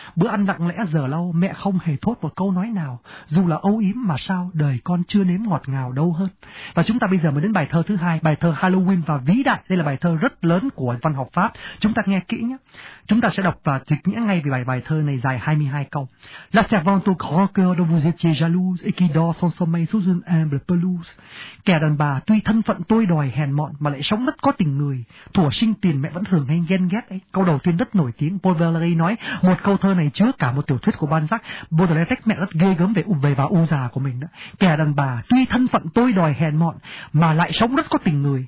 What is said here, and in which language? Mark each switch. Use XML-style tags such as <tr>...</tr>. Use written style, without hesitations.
<vi>Bữa ăn lặng lẽ giờ lâu, mẹ không hề thốt một câu nói nào, dù là âu yếm mà sao đời con chưa nếm ngọt ngào đâu hơn. Và chúng ta bây giờ mới đến bài thơ thứ hai, bài thơ Halloween và vĩ đại. Đây là bài thơ rất lớn của văn học Pháp, chúng ta nghe kỹ nhé. Chúng ta sẽ đọc và dịch nghĩa ngay về bài thơ này dài 22 câu.</vi> <fr>La servante au grand cœur dont vous étiez jalouse et qui dort son sommeil sous une humble pelouse.</fr> <vi>Kẻ đàn bà tuy thân phận tôi đòi hèn mọn mà lại sống rất có tình người. Thủa sinh tiền mẹ vẫn thường hay ghen ghét ấy. Câu đầu tiên rất nổi tiếng. Paul Valéry nói một câu thơ này chứa cả một tiểu thuyết của Balzac. Baudelaire mẹ rất ghê gớm về và u già của mình đó. Kẻ đàn bà tuy thân phận tôi đòi hèn mọn mà lại sống rất có tình người.</vi>